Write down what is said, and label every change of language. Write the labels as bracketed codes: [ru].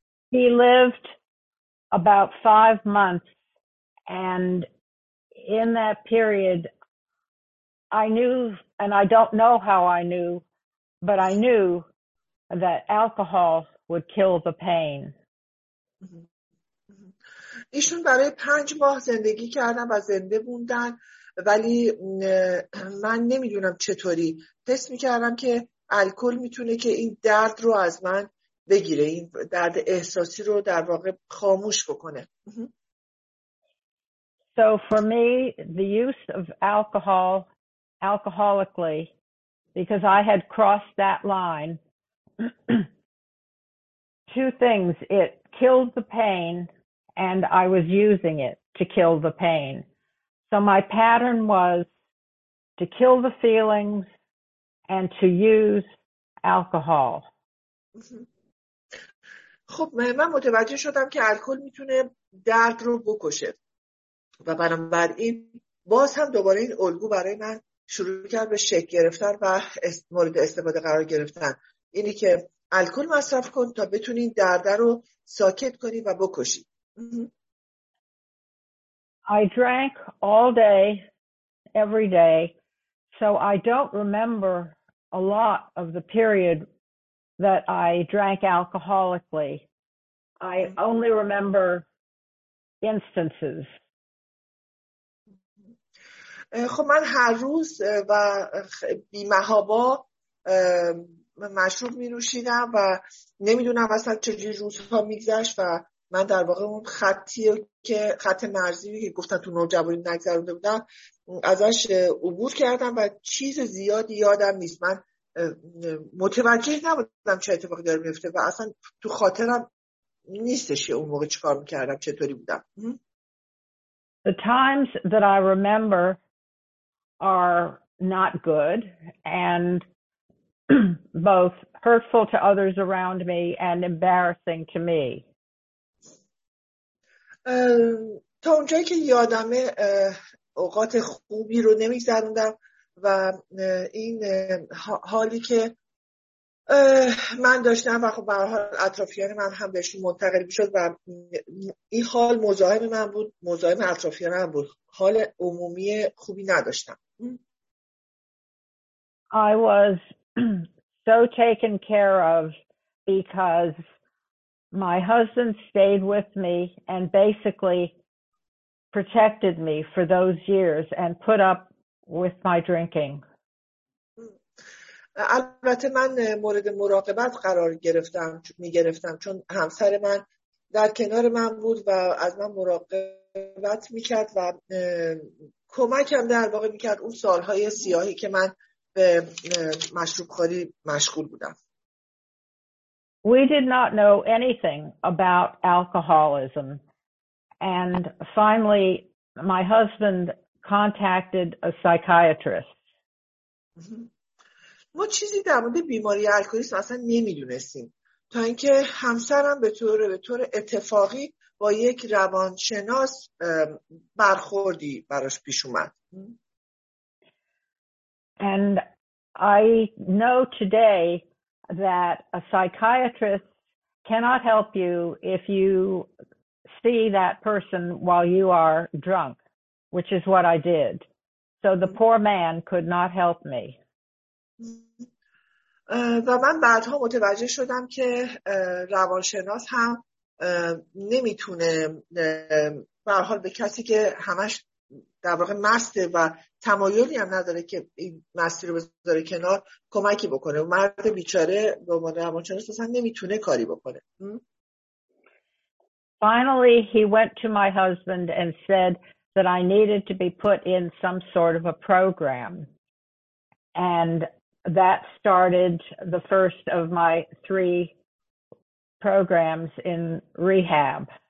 [en] He lived about 5 months and in that period I knew and I don't know how I knew but I knew that alcohol would kill the pain. [fa] ایشون برای 5 ماه زندگی کردن و زنده بودن ولی من نمیدونم چطوری حس میکردم که الکل میتونه که این درد رو از من بگیره این درد احساسی رو در واقع خاموش بکنه. [en] So for me the use of alcohol alcoholically because I had crossed that line two things it killed the pain and I was using it to kill the pain. So my pattern was to kill the feelings and to use alcohol. [fa] خب من متوجه شدم که الکل میتونه درد رو بکشه. و بنابراین باز هم دوباره این الگو برای من شروع کرد به شک گرفتن و مورد استفاده قرار گرفتن. اینی که الکل مصرف کن تا بتونی درد رو ساکت کنی و بکشی. [en] I drank all day, every day, so I don't remember a lot of the period that I drank alcoholically. I only remember instances. [fa] خب من هر روز و بی محابا مشروب می نوشیدم و نمیدونم اصلا چجوری روزها میگذشت و من در واقع اون خطی که خط مرزی که گفتن تو نوجوانی نگذرونده بودم ازش عبور کردم و چیز زیادی یادم نیست من متوجه نبودم چه اتفاقی داره میفته و اصلا تو خاطرم نیستش که اون موقع چیکار میکردم چطوری بودم. [en] The times that I remember are not good and both hurtful to others around me and embarrassing to me. [fa] تا اونجایی که یادمه اوقات خوبی رو نمیگذروندم و این حالی که من داشتم و خب به هر حال اطرافیان من هم بهشون منتقل میشد و این حال مزاحم من بود مزاحم اطرافیانم بود حال عمومی خوبی نداشتم. [en] I was so taken care of because My husband stayed with me and basically protected me for those years and put up with my drinking. [fa] البته من مورد مراقبت قرار گرفتم میگرفتم چون همسر من در کنار من بود و از من مراقبت میکرد و کمکم در واقع میکرد اون سالهای سیاهی که من به مشروب خوری مشغول بودم. [en] We did not know anything about alcoholism, and finally my husband contacted a psychiatrist. [fa] ما چیزی در مورد بیماری الکلیسم اصلا نمیدونستیم تا اینکه همسرم به طور اتفاقی با یک روانشناس برخوردی براش پیش اومد. [en] And I know today that a psychiatrist cannot help you if you see that person while you are drunk, which is what I did. So the poor man could not help me. [fa] و من بعدها متوجه شدم که روانشناس هم نمیتونه به هر حال به کسی که همش در واقع مسته و تمایلی هم نداره که این مستی رو بذاره کنار کمکی بکنه و مرد بیچاره به عنوان روانشناس اصلا نمیتونه کاری بکنه. [en] Finally he went to my husband and said that I needed to be put in some sort of a program, and that started the first of my three programs in rehab.